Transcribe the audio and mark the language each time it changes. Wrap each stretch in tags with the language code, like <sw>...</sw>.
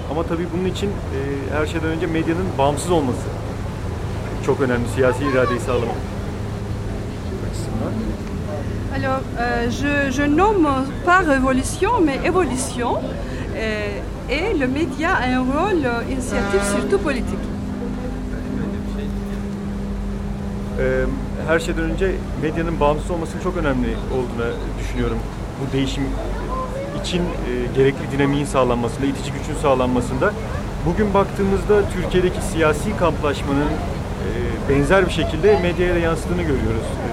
<tr>Ama tabii bunun için her şeyden önce medyanın bağımsız olması çok önemli, siyasi iradeyi sağlamak açısından.</tr> <fr>Alors, je nomme pas révolution, mais évolution. Et le média a un rôle initiatif, surtout politique.</fr> <tr>Her şeyden önce medyanın bağımsız olmasının çok önemli olduğunu düşünüyorum. Bu değişim için gerekli dinamiğin sağlanmasında, itici gücün sağlanmasında. Bugün baktığımızda Türkiye'deki siyasi kamplaşmanın benzer bir şekilde medyaya da yansıdığını görüyoruz.</tr>